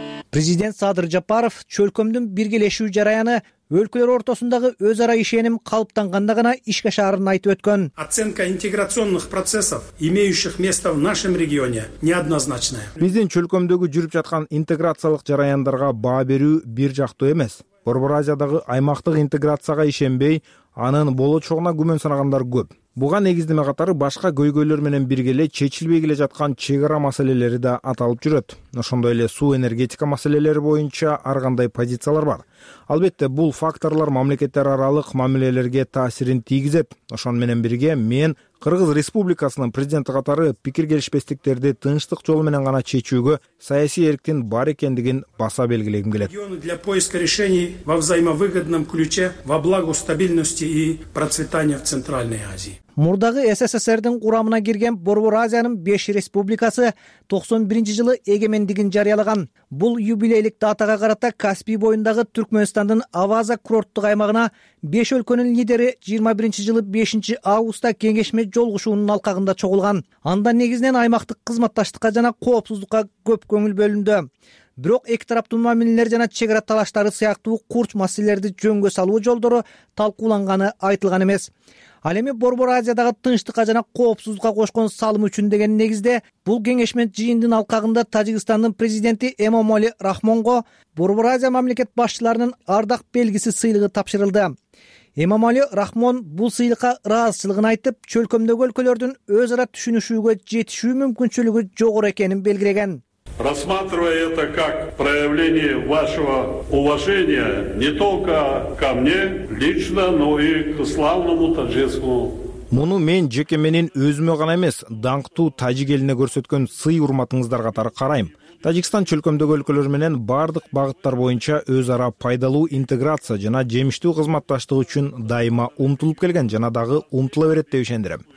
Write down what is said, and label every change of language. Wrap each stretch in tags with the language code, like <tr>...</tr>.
<ky>Президент Садыр Жапаров чөлкөмдүн биргелешүү жараяны өлкөлөр ортосундагы өз ара ишеним калыптанганда гана ишке ашарын айтып өткөн.</ky> <ru>Оценка интеграционных процессов, имеющих место в нашем регионе, неоднозначная.</ru> <ky>Биздин чөлкөмдөгү жүрүп жаткан интеграциялык жараяндарга баа берүү бир жактуу эмес. Борбор Азиядагы аймактык интеграцияга ишенбей, анын болочогуна күмөн санагандар көп. Буга негиздеме катары башка көйгөйлөр менен бирге эле чечилбей келе жаткан чек ара маселелери да аталып жүрөт. Ошондой эле суу энергетика маселелери боюнча ар кандай позициялар бар. Албетте, бул факторлор мамлекеттер аралык мамилелерге таасирин тийгизет. Ошон менен бирге мен Кыргыз Республикасынын президенти катары пикир келишпестиктерди тынчтык жолу менен гана чечүүгө саясий эрктин бар экендигин баса белгилегим келет.</ky> <ru>Для поиска решений во взаимовыгодном ключе, во благо стабильности и процветания в Центральной Азии.</ru> <ky>Мурдагы СССРдин курамына кирген Борбор Азиянын 5 республикасы 91 жылы эгемендигин жарыялаган. Бул юбилейлик датага карата Каспий боюндагы Түркмөнстандын Аваза курорттук аймагына 5 өлкөнүн лидери 21 жылы 5 августта кеңешме жолугушуунун алкагында чогулган. Анда негизинен аймактык кызматташтыкка жана коопсуздукка көп көңүл бөлүндү. Бирок эки тараптуу мамилелер жана чек ара талаштары сыяктуу курч маселелерди жөнгө салуу жолдору талкууланганы айтылган эмес. Ал эми Борбор Азиядагы тынчтыкка жана коопсуздукка кошкон салымы үчүн деген негизде бул кеңешме жыйындын алкагында Тажикстандын президенти Эмомали Рахмонго Борбор Азия мамлекет башчыларынын ардак белгиси сыйлыгы тапшырылды. Эмомали Рахмон бул сыйлыкка ыраазычылыгын айтып, чөлкөмдөгү өлкөлөрдүн өз ара түшүнүшүүгө жетишүү мүмкүнчүлүгү жогору экенин белгилеген.</ky> <ru>Рассматривая это как проявление вашего уважения не только ко мне лично, но и к славному таджикскому.</ru> <ky>Муну мен жеке менин өзүмө гана эмес, даңктуу тажик элине көрсөткөн сый урматыңыздар катары карайм. Тажикстан чөлкөмдөгү өлкөлөр менен бардык багыттар боюнча өз ара пайдалуу интеграция жана жемиштүү кызматташтык үчүн дайыма умтулуп келген жана дагы умтула берет деп ишендирем.</ky>